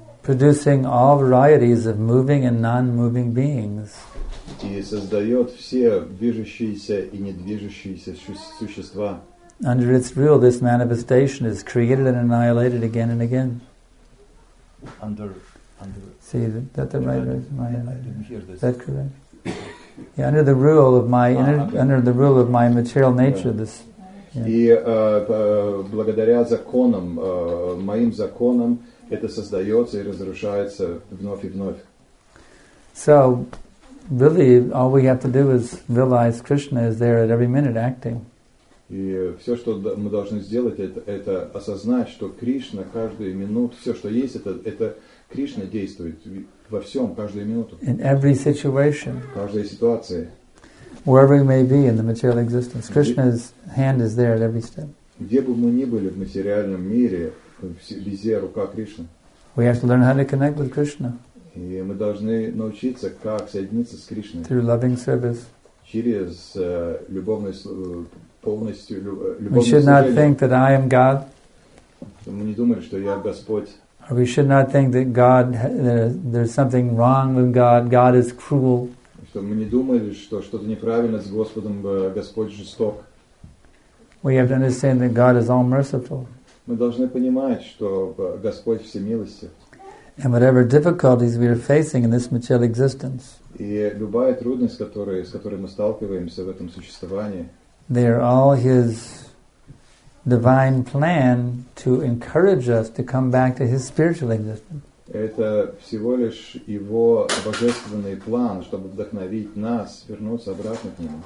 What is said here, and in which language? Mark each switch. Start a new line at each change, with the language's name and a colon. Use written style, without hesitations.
English: Producing all varieties of moving and non-moving beings.
Russian: И создает все движущиеся и недвижущиеся существа.
English: Under its rule, this manifestation is created and annihilated again and again. See, that the right is my energy. That correct? Yeah, under the rule of my under the rule of my material nature, this. Yeah.
Russian: И благодаря законам, моим законам, это создается и разрушается вновь и вновь.
English: So, really, all we have to do is realize Krishna is there at every minute acting.
Russian: И все, что мы должны сделать, это осознать, что Кришна каждую минуту, все, что есть, это Кришна действует во всем, каждую минуту.
English: In every situation.
Russian: В каждой ситуации.
English: Wherever we may be in the material existence, Krishna's hand is there at every step.
Russian: Где бы мы ни были в материальном мире, везде рука Кришны.
English: We have to learn how to connect with Krishna.
Russian: И мы должны научиться, как соединиться с Кришной.
English: Through loving service.
Russian: Через любовное полностью
English: We should not think that I am God.
Russian: Мы не думали, что я Господь.
English: Or we should not think that God, there's something wrong with God. God is cruel.
Russian: Что мы не думали, что что-то неправильно с Господом, Господь жесток.
English: We have to understand that God is all merciful.
Russian: Мы должны понимать, что Господь всемилостив.
English: And whatever difficulties we are facing in this material existence.
Russian: И любая трудность, с которой мы сталкиваемся в этом существовании.
English: They are all His divine plan to encourage us to come back to His spiritual existence.
Russian: Это всего лишь Его божественный план, чтобы вдохновить нас вернуться обратно к Нему.